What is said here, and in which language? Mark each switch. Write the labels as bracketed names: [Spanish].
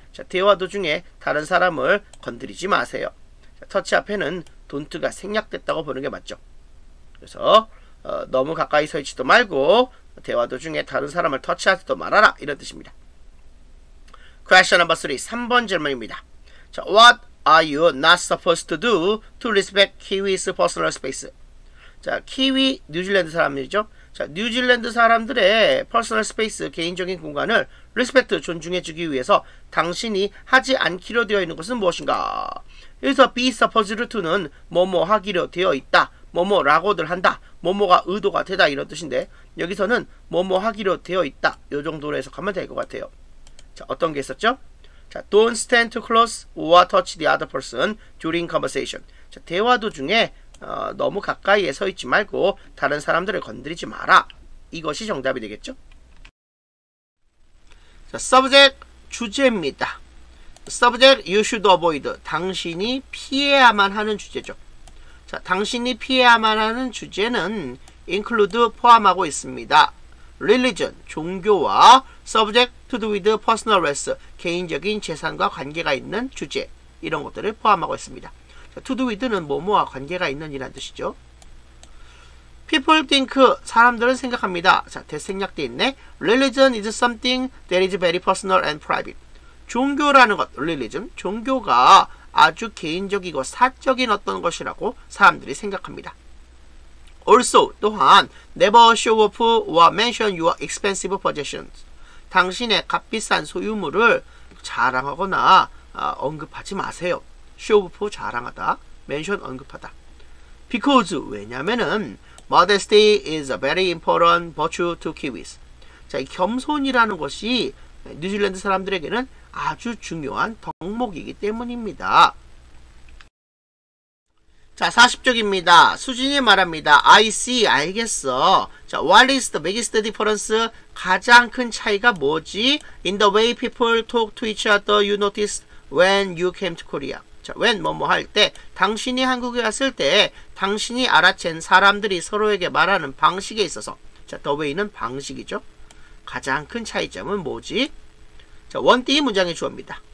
[Korean] 자, 대화 도중에 다른 사람을 건드리지 마세요. 자, 터치 앞에는 don't가 생략됐다고 보는 게 맞죠. 그래서 너무 가까이 서 있지도 말고 대화 도중에 다른 사람을 터치하지도 말아라 이런 뜻입니다. [English] Question number 3, [Korean] 3번 질문입니다. [English] 자, what are you not supposed to do to respect Kiwi's personal space? [Korean] 자, Kiwi 뉴질랜드 사람이죠. 자, 뉴질랜드 사람들의 personal space, 개인적인 공간을 respect, 존중해 주기 위해서 당신이 하지 않기로 되어 있는 것은 무엇인가? 여기서 be supposed to는 뭐뭐 하기로 되어 있다, 뭐뭐라고들 한다, 뭐뭐가 의도가 되다 이런 뜻인데 여기서는 뭐뭐 하기로 되어 있다 요 정도로 해석하면 될 것 같아요. 자, 어떤 게 있었죠? [English] 자, don't stand too close or touch the other person during conversation. [Korean] 자, 대화 도중에 너무 가까이에 서 있지 말고 다른 사람들을 건드리지 마라. 이것이 정답이 되겠죠? [English] 자, subject, [Korean] 주제입니다. [English] Subject, you should avoid. [Korean] 당신이 피해야만 하는 주제죠. 자, 당신이 피해야만 하는 주제는 include, 포함하고 있습니다. Religion, 종교와 [English] subject to do with personal rights, [Korean] 개인적인 재산과 관계가 있는 주제, 이런 것들을 포함하고 있습니다. To do with는 뭐뭐와 관계가 있는 이란 뜻이죠. [English] People think, [Korean] 사람들은 생각합니다. 자, 대생략 돼 있네. [English] Religion is something that is very personal and private. [Korean] 종교라는 것, religion, 종교가 아주 개인적이고 사적인 어떤 것이라고 사람들이 생각합니다. [English] Also, [Korean] 또한, [English] never show off or mention your expensive possessions. [Korean] 당신의 값비싼 소유물을 자랑하거나 언급하지 마세요. Show off, 자랑하다. Mention, 언급하다. [English] Because, [Korean] 왜냐면은, [English] modesty is a very important virtue to Kiwis. [Korean] 자, 이 겸손이라는 것이 뉴질랜드 사람들에게는 아주 중요한 덕목이기 때문입니다. 자, 40쪽입니다. 수진이 말합니다. [English] I see, [Korean] 알겠어. [English] 자, what is the biggest difference? [Korean] 가장 큰 차이가 뭐지? [English] In the way people talk to each other, you noticed when you came to Korea. [Korean] 자, when, 뭐뭐 할 때, 당신이 한국에 왔을 때, 당신이 알아챈 사람들이 서로에게 말하는 방식에 있어서, 자, the way는 방식이죠. 가장 큰 차이점은 뭐지? 자, 원띠 문장의 주어입니다.